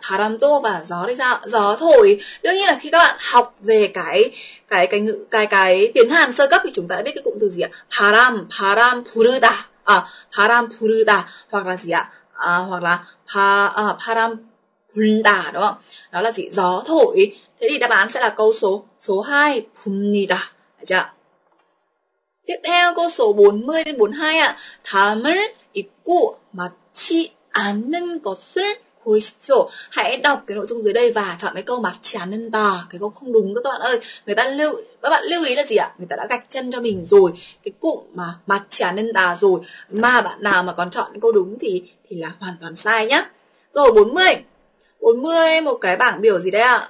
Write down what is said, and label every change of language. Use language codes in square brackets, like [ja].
[vi] 바람도 và gió thì sao? Gió thổi. Đương nhiên là khi các bạn học về cái tiếng Hàn sơ cấp thì chúng ta đã biết cái cụm từ gì ạ? [ko] 바람 부르다. 아, 바람 부르다. [vi] Hoặc là gì ạ? À, hoặc là [ko] 바람 분다, [vi] đúng không? Đó là gì? Gió thổi. Thế thì đáp án sẽ là câu số 2, 붑니다. Được chưa? Tiếp theo câu số 40 đến 42 ạ. [ko] 다음을 읽고 맞지 않는 것을 고르십시오. [vi] Hãy đọc cái nội dung dưới đây và chọn cái câu [ko] 맞지 않는다. [vi] Cái câu không đúng các bạn ơi. Người ta lưu các bạn lưu ý là gì ạ? Người ta đã gạch chân cho mình rồi. Cái cụm mà [ko] 맞지 않는다 [vi] rồi. Mà bạn nào mà còn chọn cái câu đúng thì là hoàn toàn sai nhá. Rồi 40 một cái bảng biểu gì đây ạ?